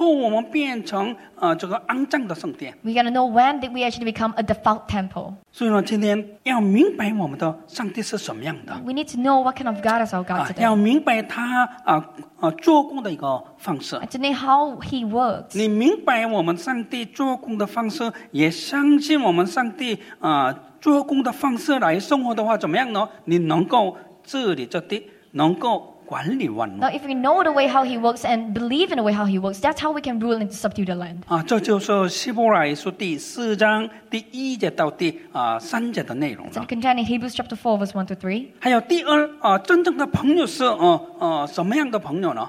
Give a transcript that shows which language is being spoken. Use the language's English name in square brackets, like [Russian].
[Chinese] 所以一定要明白什么时候我们变成这个肮脏的圣殿。 [English] We gotta know when did we actually become a defiled temple. [Chinese] 所以呢，今天要明白我们的上帝是什么样的。 [English] We need to know what kind of God is our God today. [Chinese] 要明白他做工的一个方式。 [English] To know how He works. [Chinese] 你明白我们上帝做工的方式，也相信我们上帝做工的方式来生活的话，怎么样呢？你能够治理这地，能够。 [English] Now, if we know the way how He works and believe in the way how He works, that's how we can rule and subdue the land. [Chinese] 这就是希伯来书第四章第一节到第三节的内容了。 [English] It's contained in Hebrews chapter 4, verse 1 to 3. [Chinese] 还有第二，真正的朋友是什么样的朋友呢？